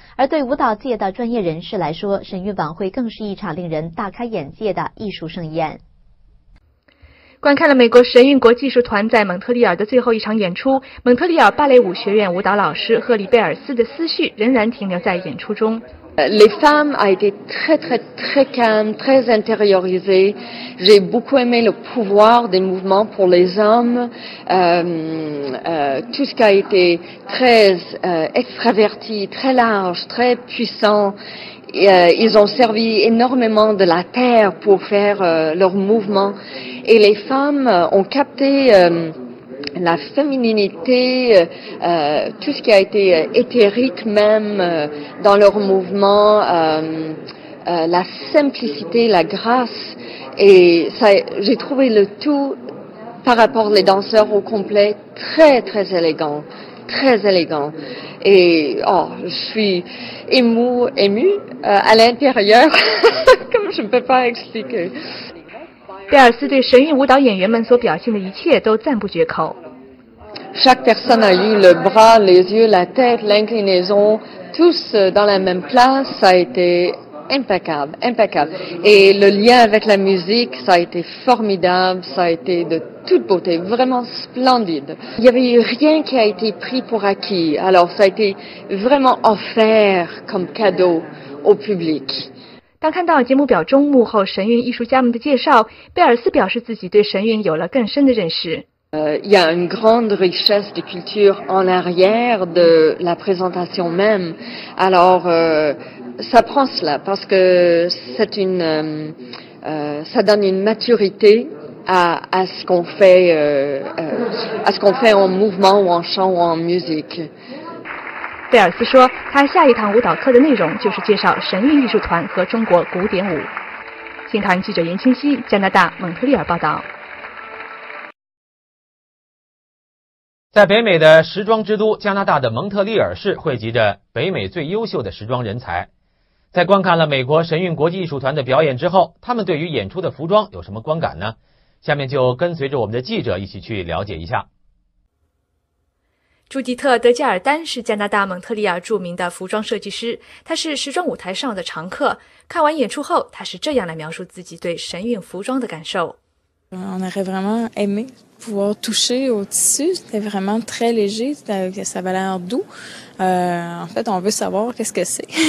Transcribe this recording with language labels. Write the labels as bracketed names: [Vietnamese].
[Chinese] 而对舞蹈界的专业人士来说，神韵晚会更是一场令人大开眼界的艺术盛宴。观看了美国神韵国际艺术团在蒙特利尔的最后一场演出，蒙特利尔芭蕾舞学院舞蹈老师赫里贝尔斯的思绪仍然停留在演出中。 [French] Les femmes ont été très très très calmes, très intériorisées. J'ai beaucoup aimé le pouvoir des mouvements pour les hommes. Tout ce qui a été très extraverti, très large, très puissant. Ils ont servi énormément de la terre pour faire leur mouvement. Et les femmes ont capté la féminité, tout ce qui a été éthérique même dans leur mouvement, la simplicité, la grâce. Et ça, j'ai trouvé le tout, par rapport aux danseurs au complet, très, très élégant. Très élégant. Et oh, je suis émue à l'intérieur, comme je ne peux pas expliquer. [Chinese] 贝尔斯对神韵舞蹈演员们所表现的一切都赞不绝口。 [French] Chaque personne a eu le bras, les yeux, la tête, l'inclinaison, tous dans la même place, ça a été impeccable, impeccable. Et le lien avec la musique, ça a été formidable, ça a été de toute beauté, vraiment splendide. Il n'y avait rien qui a été pris pour acquis, alors ça a été vraiment offert comme cadeau au public. [Chinese] 当看到节目表中幕后神韵艺术家们的介绍，贝尔斯表示自己对神韵有了更深的认识。 [French] Il y a une grande richesse de culture en arrière de la présentation même. Alors, ça prend cela parce que c'est une, ça donne une maturité à ce qu'on fait, à ce qu'on fait en mouvement ou en chant ou en musique. [Chinese] 贝尔斯说，他下一堂舞蹈课的内容就是介绍神韵艺术团和中国古典舞。新唐记者严清溪，加拿大蒙特利尔报道。在北美的时装之都加拿大的蒙特利尔市，汇集着北美最优秀的时装人才。在观看了美国神韵国际艺术团的表演之后，他们对于演出的服装有什么观感呢？下面就跟随着我们的记者一起去了解一下。朱迪特·德加尔丹是加拿大蒙特利尔著名的服装设计师，他是时装舞台上的常客。看完演出后，他是这样来描述自己对神韵服装的感受。 [French] On aurait vraiment aimé pouvoir toucher au tissu. C'était vraiment très léger, ça avait l'air doux. En fait, on veut savoir qu'est-ce que c'est.